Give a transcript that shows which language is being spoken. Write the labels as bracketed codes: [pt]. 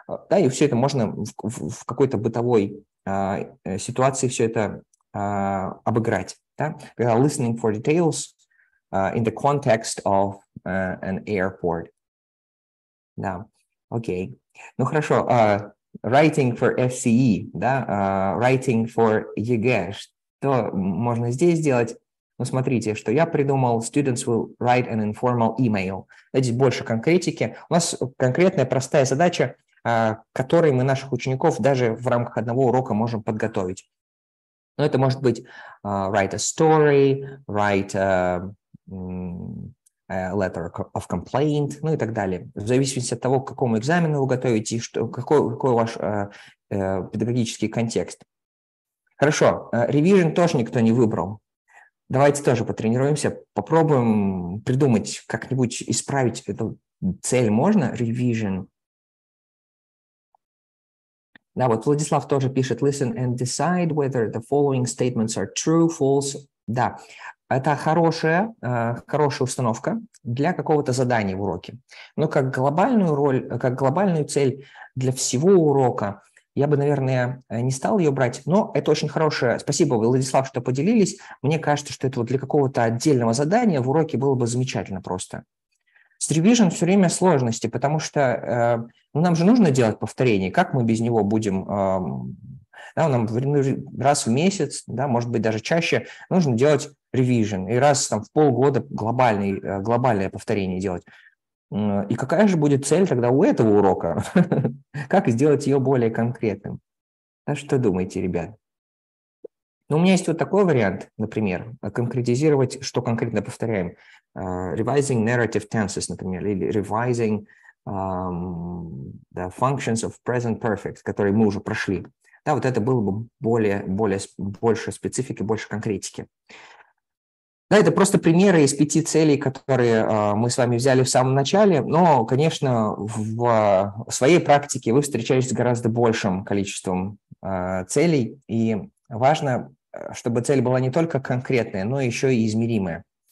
[ru] Да, и все это можно в какой-то бытовой ситуации все это обыграть. Да? [en] Listening for details in the context of an airport. [ru] Да, окей. Ну хорошо, [en] writing for FCE, [ru] да? [en] Writing for ЕГЭ. [ru] Что можно здесь сделать? Ну смотрите, что я придумал, [en] students will write an informal email. [ru] Да, здесь больше конкретики. У нас конкретная простая задача, которой мы наших учеников даже в рамках одного урока можем подготовить. Ну, это может быть [en] write a story, write a letter of complaint, [ru] ну и так далее. В зависимости от того, к какому экзамену вы готовите, что, какой ваш педагогический контекст. Хорошо, revision тоже никто не выбрал. Давайте тоже потренируемся, попробуем придумать, как-нибудь исправить эту цель. Можно revision? Да, вот Владислав тоже пишет, [en] listen and decide whether the following statements are true, false. [ru] Да, это хорошая установка для какого-то задания в уроке. Но как глобальную роль, как глобальную цель для всего урока, я бы, наверное, не стал ее брать. Но это очень хорошая, спасибо, Владислав, что поделились. Мне кажется, что это вот для какого-то отдельного задания в уроке было бы замечательно просто. С ревизион все время сложности, потому что ну, нам же нужно делать повторение. Как мы без него будем? Да, нам раз в месяц, да, может быть, даже чаще, нужно делать ревизион. И раз там, в полгода глобальное повторение делать. И какая же будет цель тогда у этого урока? Как сделать ее более конкретным? Что думаете, ребят? Ну, у меня есть вот такой вариант, например, конкретизировать, что конкретно повторяем. [en] Revising narrative tenses, [ru] например, [en] или revising the functions of present perfect, [ru] которые мы уже прошли. Да, вот это было бы больше специфики, больше конкретики. Да, это просто примеры из пяти целей, которые мы с вами взяли в самом начале, но, конечно, в своей практике вы встречаетесь с гораздо большим количеством целей, и важно, чтобы цель была не только конкретная, но еще и измеримая.